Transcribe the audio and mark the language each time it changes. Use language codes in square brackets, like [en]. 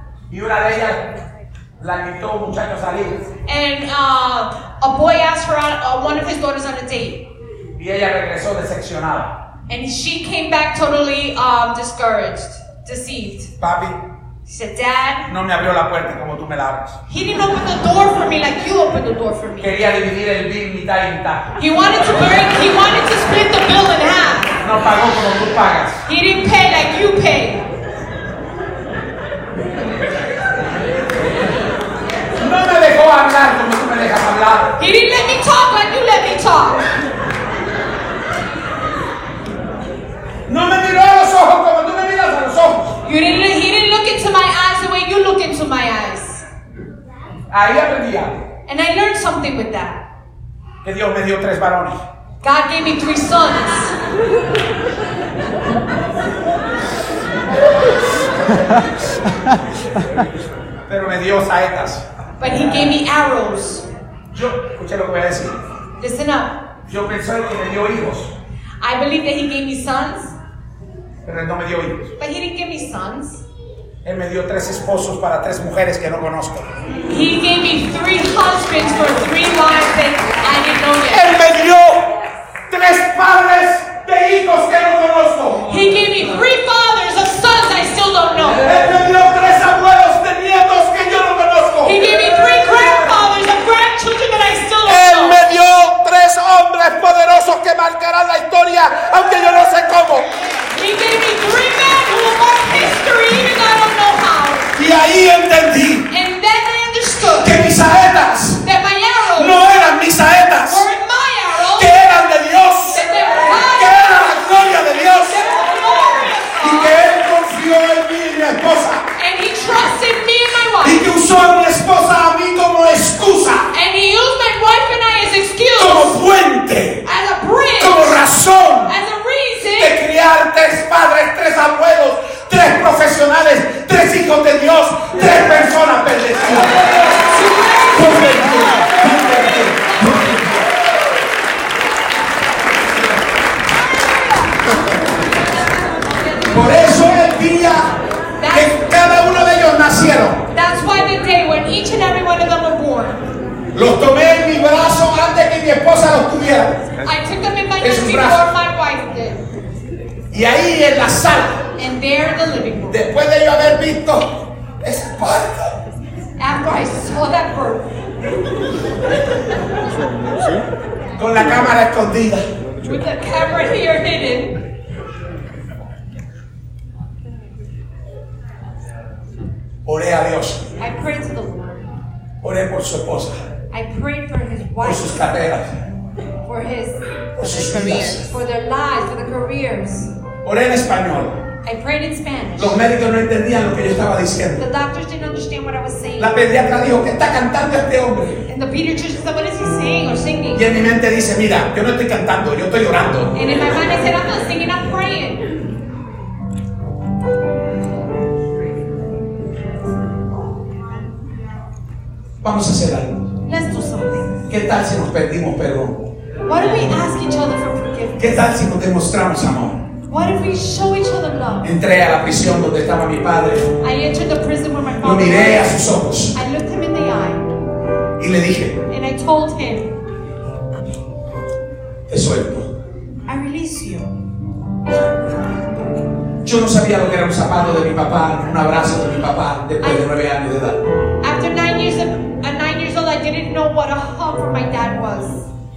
[es] Y una de ellas la invitó un muchacho a salir. [en] And a boy asked for one of his daughters on a date. [es] Y ella regresó decepcionada. [en] And she came back totally discouraged, deceived. [es] Papi. [en] He said, Dad, [es] no me abrió la puerta como tú me la abres. [en] He didn't open the door for me like you opened the door for me. [es] Quería dividir el bill mitad y mitad. [en] He wanted to split the bill in half. [es] No pagó como tú pagas. [en] He didn't pay like you pay. [es] No me dejó hablar como tú me dejas hablar. [en] He didn't let me talk like you let me talk. [es] No me miró a los ojos como tú me miras a los ojos. [en] He didn't look into my eyes the way you look into my eyes. [es] Ahí aprendí algo. [en] And I learned something with that. [es] Que Dios me dio tres varones. [en] God gave me three sons. [es] Pero me dio saetas. [en] But he gave me arrows. [es] Yo, escuché lo que voy a decir. [en] Listen up. [es] Yo pensé que me dio hijos. [en] I believe that he gave me sons. [es] Pero no me dio hijos. [en] But he didn't give me sons. [es] Él me dio tres esposos para tres mujeres que no conozco. [en] He gave me three husbands for three wives that I didn't know yet. [es] Él me dio tres padres de hijos que no conozco. [en] He gave me three fathers of sons I still don't know. [es] Él me dio tres abuelos de nietos que yo no conozco. [en] He gave me three grandfathers of grandchildren that I still don't [es] Él [en] know. [es] Él me dio tres hombres poderosos que marcarán la historia, aunque yo no sé cómo. [en] He gave me three men who will mark history even though I don't know how. [es] Y ahí entendí. [en] And then I understood. [es] Que mis saetas. [en] That my arrows. [es] No eran mis saetas. [en] Weren't my arrows. [es] Que eran de Dios. [en] That they were God. [es] Que era la gloria de Dios. [en] That were the glory of God. [es] Y que él confió en mí y mi esposa. [en] And he trusted me and my wife. [es] Y que usó a mi esposa a mí como excusa. [en] And he used my wife and I as excuse. [es] Como puente. [en] As a bridge. [es] Como razón. [en] As a reason. [es] De criar tres padres, tres abuelos, tres profesionales, tres hijos de Dios, tres personas bendecidas. Por eso el día que cada uno de ellos nacieron. [en] That's why the day when each and every one of them were born. [es] Los tomé en mi brazo antes que mi esposa los tuviera. [en] I took them in my arms before my wife did. [es] Y ahí en la sala. [en] And there in the living room. [es] Después de yo haber visto ese parto. [en] After I saw that birth. [es] Con la cámara escondida. [en] With the camera here hidden. [es] Oré a Dios. [en] I prayed to the Lord. [es] Oré por su esposa. [en] I prayed for his wife. [es] Por sus carreras. [en] For his careers. For their lives, for the careers. [es] Oré en español. [en] I prayed in Spanish. [es] Los médicos no entendían lo que yo estaba diciendo. [en] The doctors didn't understand what I was saying. [es] La pediatra dijo, ¿qué está cantando este hombre? [en] And the pediatrician said, what is he saying or singing? [es] Y en mi mente dice, mira, yo no estoy cantando, yo estoy llorando. [en] And in my mind I said, I'm not singing, I'm praying. [es] Vamos a hacer algo. [en] Let's do something. [es] ¿Qué tal si nos pedimos perdón? [en] What do we ask each other for forgiveness? [es] ¿Qué tal si nos demostramos amor? [en] What if we show each other love? [es] Entré a la prisión donde estaba mi padre. [en] I entered the prison where my father was. [es] Lo miré a sus ojos. [en] I looked him in the eye. [es] Y le dije. [en] And I told him. [es] Te suelto. [en] I release you. [es] Yo no sabía lo que era un zapato de mi papá, un abrazo de mi papá después de 9 años de edad. [en] After 9 years of, 9 years old, I didn't know what a hug from my dad was.